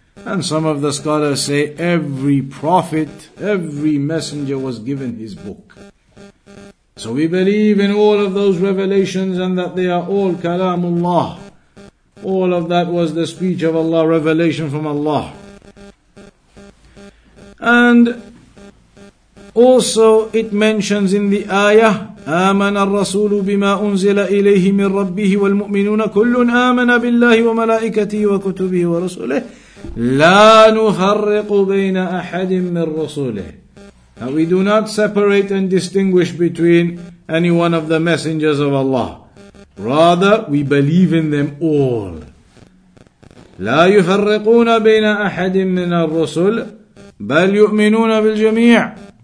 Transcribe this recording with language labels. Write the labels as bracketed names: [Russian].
[English] And some of the scholars say every prophet, every messenger was given his book. So we believe in all of those revelations and that they are all kalamullah. All of that was the speech of Allah, revelation from Allah. And also it mentions in the ayah, [Arabic] آمَنَ الرَّسُولُ بِمَا أُنزِلَ إِلَيْهِ مِنْ رَبِّهِ وَالْمُؤْمِنُونَ كُلٌّ آمَنَ بِاللَّهِ وَمَلَائِكَتِهِ وَكُتُبِهِ وَرُسُلِهِ لَا نُفَرِّقُ بَيْنَ أَحَدٍ مِّنْ رُسُلِهِ. [English] Now we do not separate and distinguish between any one of the messengers of Allah. Rather, we believe in them all. [Arabic] لَا يُفَرِّقُونَ بَيْنَ أَحَدٍ مِّنَ الرُّسُلِ بَلْ يُؤْمِنُونَ بِالْجَمِيعِ.